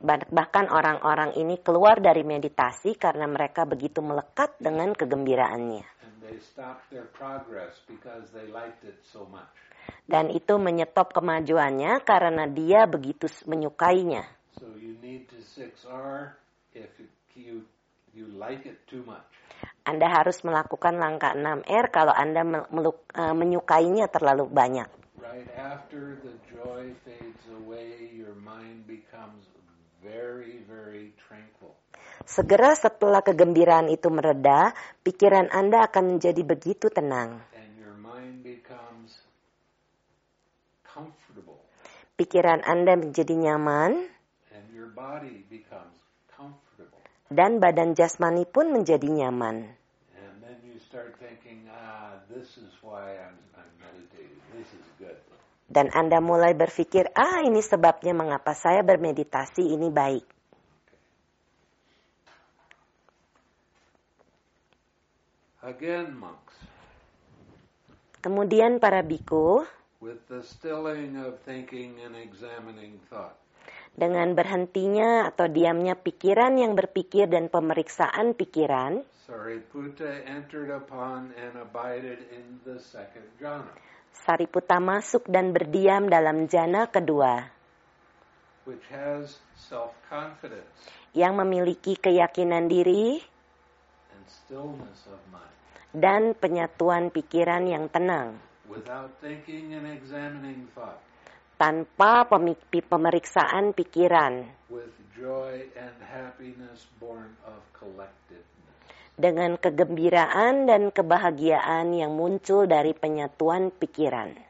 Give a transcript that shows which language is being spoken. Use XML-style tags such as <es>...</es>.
<id>Bahkan orang-orang ini keluar dari meditasi karena mereka begitu melekat dengan kegembiraannya.</id> <en>And they stopped their progress because they liked it so much.</en> <id>Dan itu menyetop kemajuannya karena dia begitu menyukainya.</id> <en>So you need to 6R if you like it too much.</en> <id>Anda harus melakukan langkah 6R kalau Anda menyukainya terlalu banyak.</id> <en>Right after the joy fades away, your mind becomes very, very tranquil.</en> <id>Segera setelah kegembiraan itu mereda, pikiran Anda akan menjadi begitu tenang.</id> <en>And your mind becomes comfortable.</en> <id>Pikiran Anda menjadi nyaman.</id> <en>Body becomes comfortable.</en> <id>Dan badan jasmani pun menjadi nyaman.</id> <en>And then you start thinking, this is why I'm meditating. This is good.</en> <id>Dan Anda mulai berpikir, ini sebabnya mengapa saya bermeditasi, ini baik.</id> <en>Okay. Again, monks.</en> <id>Kemudian para bhikkhu.</id> <en>With the stilling of thinking and examining thought.</en> <id>Dengan berhentinya atau diamnya pikiran yang berpikir dan pemeriksaan pikiran,</id> <en>Sariputta entered upon and abided in the second jhana.</en> <id>Sariputta masuk dan berdiam dalam jhana kedua,</id> <en>which has self-confidence,</en> <id>yang memiliki keyakinan diri</id> <en>and stillness of mind,</en> <id>dan penyatuan pikiran yang tenang.</id> <en>Without thinking and examining thought.</en> <id>Tanpa pemeriksaan pikiran.</id> <en>With joy and happiness born of collectedness.</en> <id>Dengan kegembiraan dan kebahagiaan yang muncul dari penyatuan pikiran.</id>